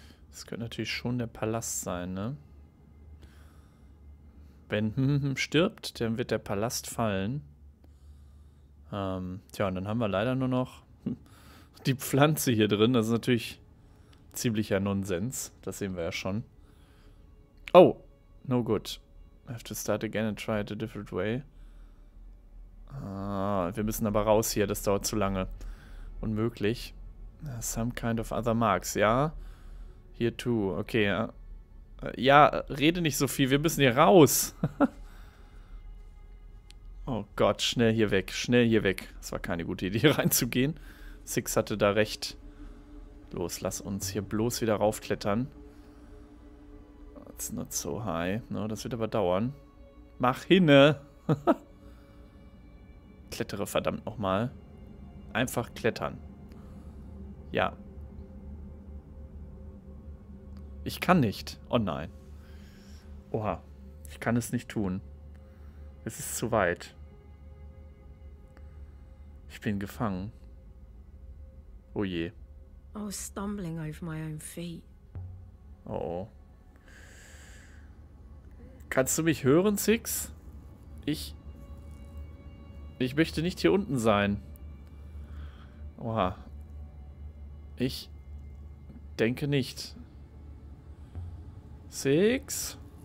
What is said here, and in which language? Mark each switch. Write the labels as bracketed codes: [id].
[de] Das könnte natürlich schon der Palast sein, ne? Wenn stirbt, dann wird der Palast fallen. Und dann haben wir leider nur noch die Pflanze hier drin. Das ist natürlich ziemlicher Nonsens. Das sehen wir ja schon. [en] Oh, no good. I have to start again and try it a different way. [de] Wir müssen aber raus hier. Das dauert zu lange. Unmöglich. [en] Some kind of other marks, [de] ja. [en] Here too, okay, ja. [de] Ja, rede nicht so viel, wir müssen hier raus. Oh Gott, schnell hier weg, schnell hier weg. Das war keine gute Idee, reinzugehen. Six hatte da recht. Los, lass uns hier bloß wieder raufklettern. [en] It's not so high. No, [de] das wird aber dauern. Mach hinne. Klettere verdammt nochmal. Einfach klettern. Ja. Ich kann nicht. Oh nein. Oha. Ich kann es nicht tun. Es ist zu weit. Ich bin gefangen. Oh je. [en] I was stumbling over my own feet. Oh oh. [de] Kannst du mich hören, Six? Ich möchte nicht hier unten sein. Oha. Ich denke nicht. Six?